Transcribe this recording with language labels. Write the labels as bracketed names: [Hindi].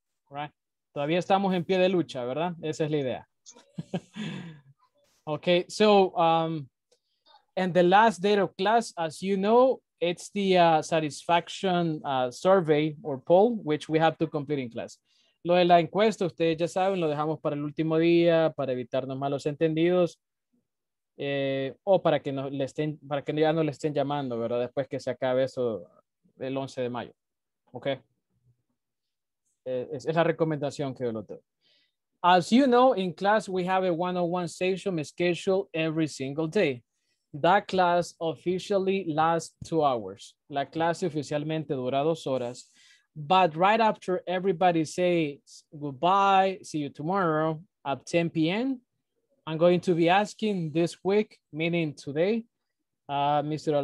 [Spanish] Right. Todavía estamos en pie de lucha, ¿verdad? Esa es la idea. [English] Okay, so, and the last day of class, as you know, it's the satisfaction survey or poll, which we have to complete in class. [Spanish] lo de la encuesta, ustedes ya saben, lo dejamos para el último día, para evitarnos malos entendidos, o para que no le estén, para que ya no le estén llamando, ¿verdad? Después que se acabe eso el 11 de mayo. ¿Ok? Es la recomendación que yo lo tengo. [English] As you know, in class, we have a one-on-one session scheduled every single day. That class officially lasts 2 hours. [Spanish] La clase oficialmente dura 2 horas. [English] But right after everybody says goodbye, see you tomorrow, at 10 p.m., I'm going to be asking this week, meaning today, Mr.